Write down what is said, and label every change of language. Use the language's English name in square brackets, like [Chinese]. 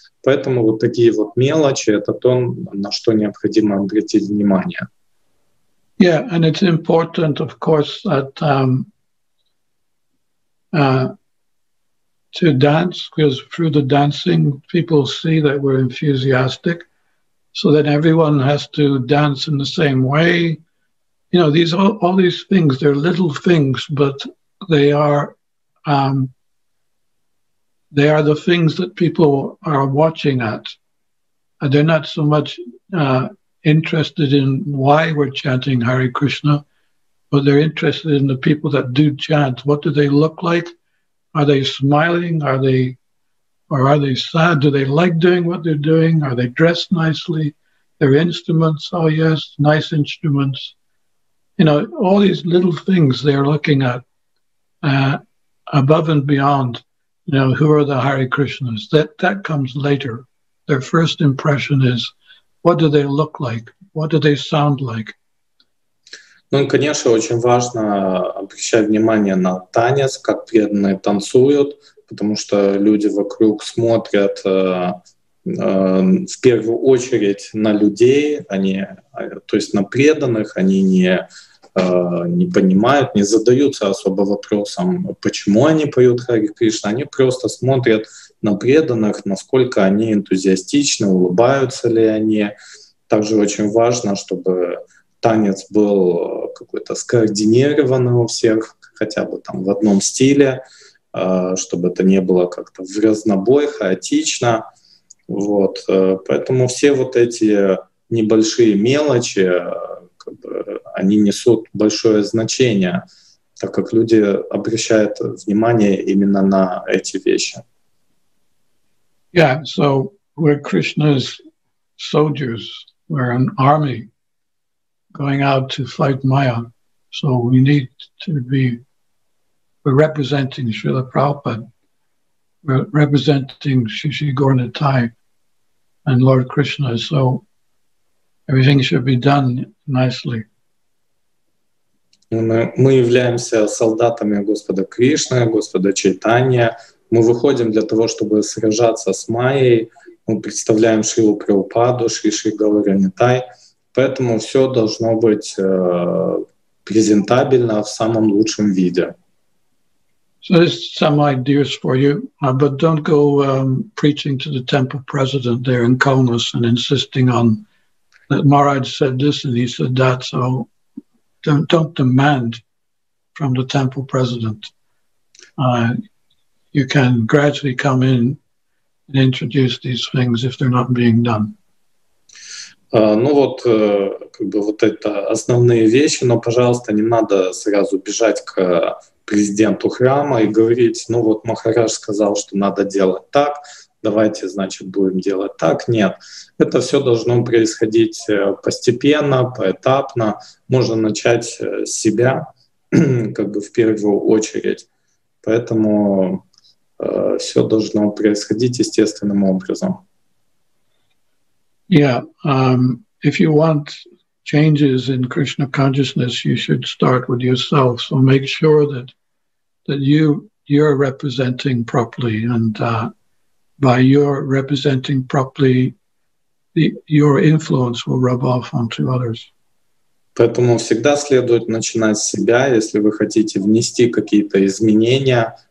[Russian] Поэтому вот такие вот мелочи — это то, на что необходимо обратить внимание. [English] Yeah, and it's important, of course, that to dance, because through the dancing, people see that we're enthusiastic. So then everyone has to dance in the same way. You know, these all these things, they're little things, but they are the things that people are watching at. And they're not so much interested in why we're chanting Hare Krishna, but they're interested in the people that do chant. What do they look like? Are they smiling? Are they Or are they sad? Do they like doing what they're doing? Are they dressed nicely? Their instruments, oh yes, nice instruments. You know, all these little things they're looking at above and beyond, you know, who are the Hare Krishnas? That comes later. Their first impression is, what do they look like? What do they sound like? [Russian] Ну и, конечно, очень важно обращать внимание на танец, как преданные танцуют, потому что люди вокруг смотрят в первую очередь на людей, то есть на преданных, они не понимают, не задаются особо вопросом, почему они поют Харе Кришна, они просто смотрят на преданных, насколько они энтузиастичны, улыбаются ли они. Также очень важно, чтобы танец был какой-то скоординированный у всех, хотя бы там в одном стиле, чтобы это не было как-то в разнобой, хаотично. Вот. Поэтому все вот эти небольшие мелочи, как бы, они несут большое значение, так как люди обращают внимание именно на эти вещи. [English] Yeah, so we're Krishna's soldiers, we're an army going out to fight Maya. So we need to be representing Srila Prabhupada, we're representing Shishi Gornatai and Lord Krishna. So everything should be done nicely. [Russian] Мы являемся солдатами Господа Кришны, Господа Чайтанья. Мы выходим для того, чтобы сражаться с Майей. Мы представляем Шрилу Прабхупаду, Шиши Гауранитай. Поэтому все должно быть презентабельно в самом лучшем виде. [English] So there's some ideas for you, but don't go preaching to the temple president there in Kaunas and insisting on that Maharaj said this and he said that. So don't demand from the temple president. You can gradually come in and introduce these things if they're not being done. [Russian] Вот это основные вещи, но, пожалуйста, не надо сразу бежать к президенту храма и говорить, ну вот Махарадж сказал, что надо делать так, давайте, значит, будем делать так. Нет, это все должно происходить постепенно, поэтапно. Можно начать с себя, как бы в первую очередь. Поэтому все должно происходить естественным образом. [English] Yeah, if you want changes in Krishna consciousness, you should start with yourself. So make sure that you're representing properly, and by your representing properly, your influence will rub off onto others. [Russian] Поэтому всегда следует начинать с себя, если вы хотите внести какие-то изменения.